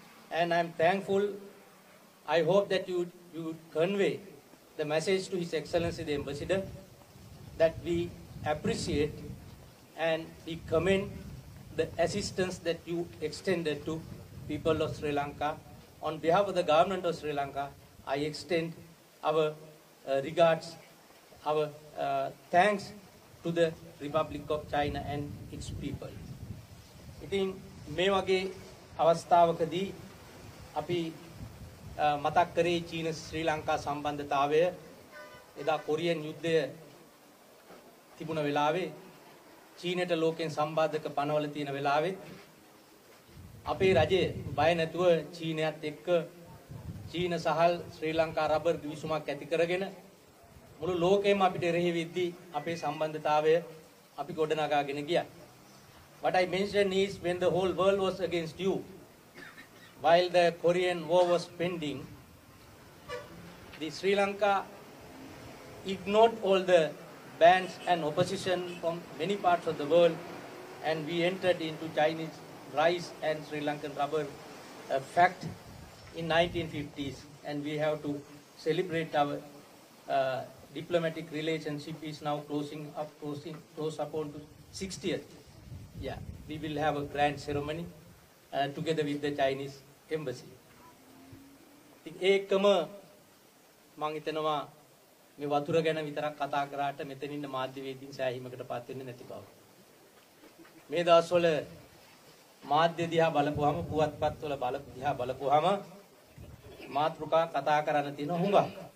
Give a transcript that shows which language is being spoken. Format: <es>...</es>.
<en>And I'm thankful. I hope that you convey the message to His Excellency the Ambassador that we appreciate and we commend the assistance that you extended to people of Sri Lanka. On behalf of the government of Sri Lanka, I extend our regards, our thanks to the Republic of China and its people.</en> <si>ඉතින් මේ වගේ අවස්ථාවකදී අපි මතක් කරේ චීන ශ්‍රී ලංකා සම්බන්ධතාවය. එදා කොරියන් යුද්ධය තිබුණ වෙලාවේ චීනයට ලෝකෙන් සම්බන්ධක පනවල තියෙන වෙලාවේ අපේ රජය බය නැතුව චීනයත් එක්ක චීන සහල් ශ්‍රී ලංකා රබර් ගිවිසුමක් ඇති කරගෙන මුළු ලෝකෙම අපිට එරෙහි වෙද්දී අපේ සම්බන්ධතාවය අපි ගොඩනගාගෙන ගියා.</si> <en>What I mention is when the whole world was against you, while the Korean War was pending, the Sri Lanka ignored all the bans and opposition from many parts of the world, and we entered into Chinese rice and Sri Lankan rubber fact in 1950s, and we have to celebrate our diplomatic relationship is now close upon to 60th. Yeah, we will have a grand ceremony together with the Chinese embassy.</en> <si>ඉතින් ඒකම මම හිතනවා මේ වතුර ගැන විතරක් කතා කරාට මෙතන ඉන්න මාධ්‍යවේදීන් සෑහීමකටපත් වෙන්නේ නැති බව. මේ දවස්වල මාධ්‍ය දිහා බලපුවාම පුවත්පත්වල බලපුවාම මාතෘකා කතා කරන්න තියෙන හුඟක්.</si>